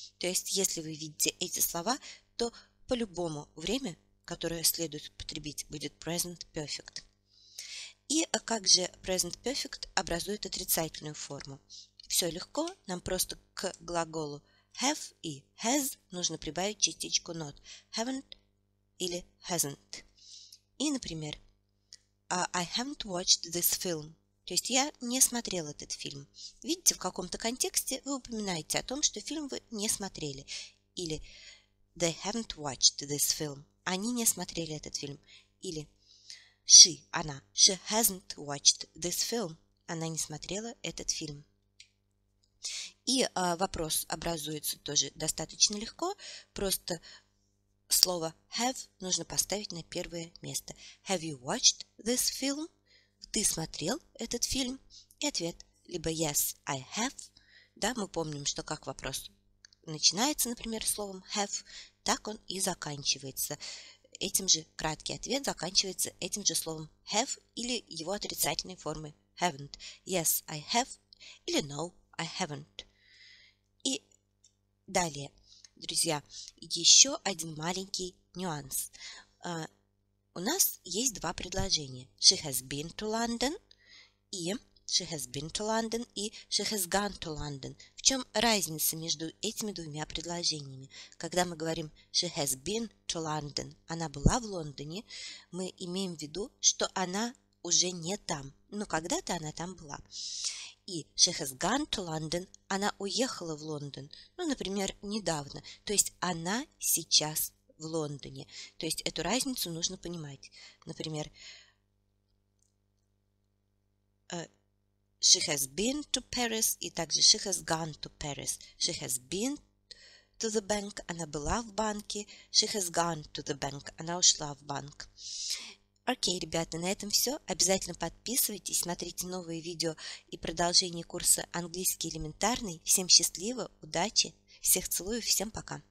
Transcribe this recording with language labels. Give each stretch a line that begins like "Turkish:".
Russian: То есть, если вы видите эти слова, то по-любому время, которое следует употребить, будет present perfect. И как же present perfect образует отрицательную форму? Все легко, нам просто к глаголу have и has нужно прибавить частичку not.
English: Haven't или hasn't.
Russian: И, например,
English: I haven't watched this film.
Russian: То есть я не смотрел этот фильм. Видите, в каком-то контексте вы упоминаете о том, что фильм вы не смотрели.
English: Или they haven't watched this film.
Russian: Они не смотрели этот фильм.
English: Или she, она, she hasn't watched this film.
Russian: Она не смотрела этот фильм. И вопрос образуется тоже достаточно легко. Просто слово have нужно поставить на первое место.
English: Have you watched this film?
Russian: Ты смотрел этот фильм? И ответ либо
English: yes, I have.
Russian: Да, мы помним, что как вопрос начинается, например, словом have, так он и заканчивается. Этим же краткий ответ заканчивается этим же словом have или его отрицательной формой haven't.
English: Yes, I have или no, I haven't. И
Russian: Далее, друзья, еще один маленький нюанс. У нас есть два предложения.
English: She has been to London и she has been to London и she has gone to London.
Russian: В чем разница между этими двумя предложениями? Когда мы говорим
English: she has been to London,
Russian: она была в Лондоне, мы имеем в виду, что она уже не там. Но когда-то она там была. И
English: she has gone to London,
Russian: она уехала в Лондон, ну, например, недавно. То есть она сейчас в Лондоне. То есть эту разницу нужно понимать.
English: Например, she has been to Paris и также she has gone to Paris. She has been to the bank,
Russian: она была в банке.
English: She has gone to the bank,
Russian: она ушла в банк. Окей, ребята, на этом все. Обязательно подписывайтесь, смотрите новые видео и продолжение курса «Английский элементарный». Всем счастливо, удачи, всех целую, всем пока.